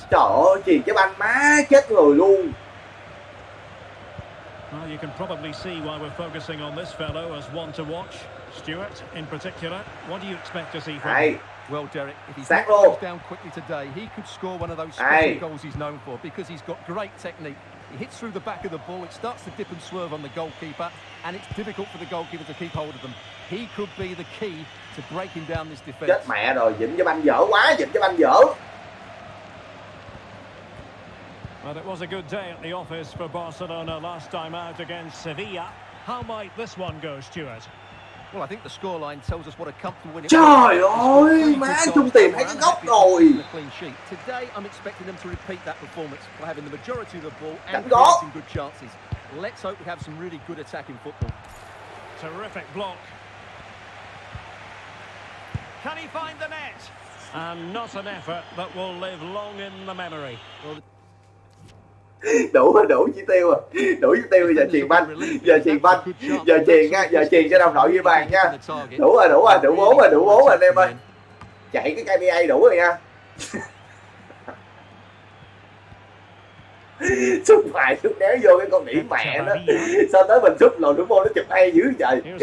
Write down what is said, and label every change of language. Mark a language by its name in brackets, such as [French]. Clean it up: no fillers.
[Vietnamese] Trời ơi, chuyền cái banh má chết người luôn. [English] Well, you can probably see why we're focusing on this fellow as one to watch. Stuart, in particular, what do you expect to see from him? Well, Derek, if he's goes down quickly today, he could score one of those special goals he's known for because he's got great technique. He hits through the back of the ball, it starts to dip and swerve on the goalkeeper, and it's difficult for the goalkeeper to keep hold of them. He could be the key to breaking down this defense. [Vietnamese] Chết mẹ rồi, dịnh cho banh dở quá, dịnh cho banh dở. [English] Well, it was a good day at the office for Barcelona last time out against Sevilla. How might this one go, Stuart? Well, I think the scoreline tells us what a comfortable win it [Vietnamese] Trời ơi, má trung tiền thấy cái góc rồi. [English] Today, I'm expecting them to repeat that performance by having the majority of the ball and creating good chances. Let's hope we have some really good attacking football. Terrific block. Can he find the net? And not an effort that will live long in the memory. [Vietnamese] Đủ chi tiêu rồi. Đủ chi tiêu rồi, giờ chiền banh. Giờ chiền cho đồng đội ghi bàn nha. Đủ rồi, đủ bốn rồi anh em ơi. Chạy cái KPA đủ rồi nha. Xúc phải xúc đéo vô cái con nỉ mẹ đó. Sao tới mình xúc lồn đúng không, nó chụp hay dữ trời.